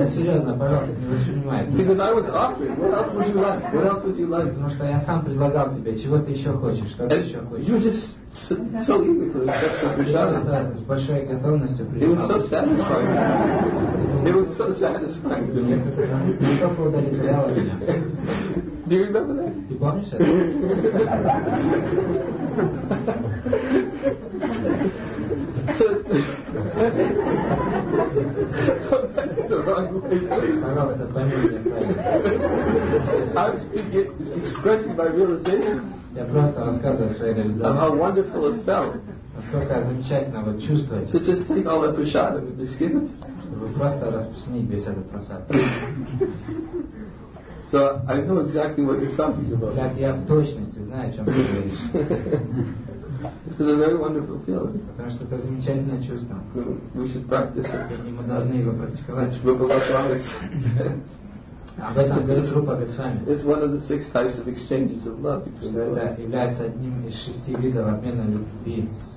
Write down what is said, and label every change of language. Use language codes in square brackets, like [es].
[ru] Я серьезно, пожалуйста, не воспринимай. [en] Because I was offering. What else would you like? What else would you like? [ru] Потому что я сам предлагал тебе. Чего ты еще хочешь? Что ты еще хочешь? [en] You just so eager to accept some prasad. [ru] Я с большой готовностью принимал. [en] It was so satisfying. It was so satisfying to me. Do you remember that? [ru] Ты помнишь это? [en] Don't take it the wrong way, please. I'm speaking, expressing my realization. [ru] Я просто рассказываю свои реализации. [en] How wonderful it felt. [ru] Насколько замечательно вот чувствовать. [en] To just take all the prasad and just give it. [ru] Чтобы просто распустить весь этот просад. [en] So I know exactly what you're talking about. [ru] Так я в точности знаю, о чем ты говоришь. [en] It's a very wonderful feeling. [ru] Потому что это замечательное чувство. [en] We should practice it. [ru] И мы должны его практиковать. [en] We will practice it. [ru] Об этом говорит Рупа Госвами. [en] It's one of the six types of exchanges of love. [ru] Это является одним из шести видов обмена любви.